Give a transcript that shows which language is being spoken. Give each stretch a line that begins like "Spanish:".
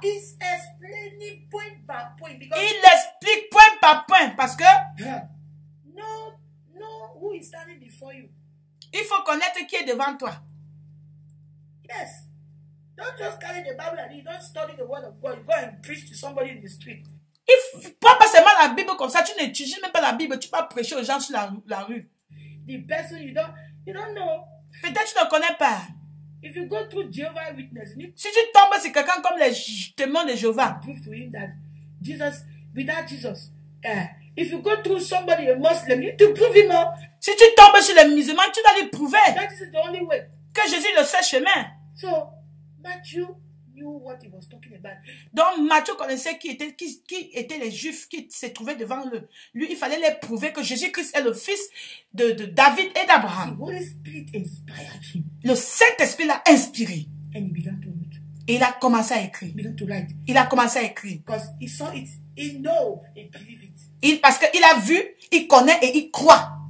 English: Is explaining point by point
French: because il explique point par point parce que
English: know who is standing before you.
French: Il faut connaître qui est devant toi.
English: Yes. Don't just carry the Bible and you don't study the word of God. You go and preach to somebody in the street.
French: Il prend pas seulement la Bible comme ça, tu n'étudies même pas la Bible, tu vas prêcher aux gens sur la rue.
English: The person you don't know.
French: Peut-être tu ne connais pas.
English: If you go through Jehovah Witness,
French: si tu tombes sur quelqu'un comme les témoins de Jéhovah,
English: prove to him that Jesus without Jesus. If you go through somebody a Muslim, you need to prove him up.
French: Si tu tombes sur les musulmans, tu dois lui prouver.
English: That is the only way.
French: Que Jésus le seul chemin.
English: So, Matthew knew what he was talking about.
French: Donc Matthieu connaissait qui étaient les Juifs qui se trouvaient devant le lui. Il fallait les prouver que Jésus-Christ est le fils de David et d'Abraham.
English: The Holy Spirit inspired him.
French: Le Saint-Esprit l'a inspiré.
English: And he began to write.
French: Et il a commencé à écrire.
English: He began to write.
French: Il a commencé à écrire.
English: Because he saw it, he know, he believe it.
French: Parce qu'il a vu, il connaît et il croit.